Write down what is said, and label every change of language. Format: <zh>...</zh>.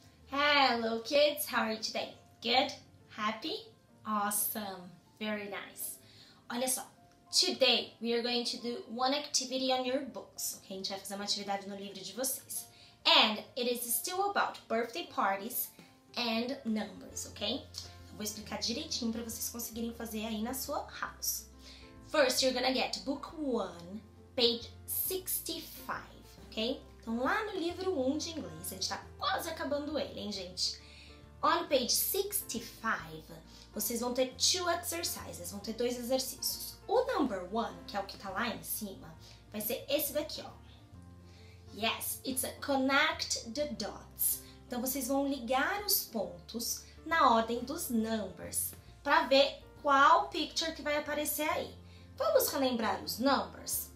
<en>Hello kids, how are you today? Good? Happy? Awesome! Very nice!</en> <pt>Olha só,</pt> <en>today we are going to do one activity on your books, ok?</en> <pt>A gente vai fazer uma atividade no livro de vocês.</pt> <en>And it is still about birthday parties and numbers, ok?</en> <pt>Eu vou explicar direitinho para vocês conseguirem fazer aí na sua house.</pt> <en>First, you're gonna get book 1, page 65, ok?</en> <pt>Então, lá no livro 1 de inglês, a gente tá quase acabando ele, hein, gente?</pt> <en>On page 65,</en> <pt>vocês vão ter</pt> <en>two exercises,</en> <pt>vão ter dois exercícios. O number 1, que é o que tá lá em cima, vai ser esse daqui, ó.</pt> <en>Yes, it's a connect the dots.</en> <pt>Então, vocês vão ligar os pontos na ordem dos numbers pra ver qual picture que vai aparecer aí. Vamos relembrar os numbers?</pt>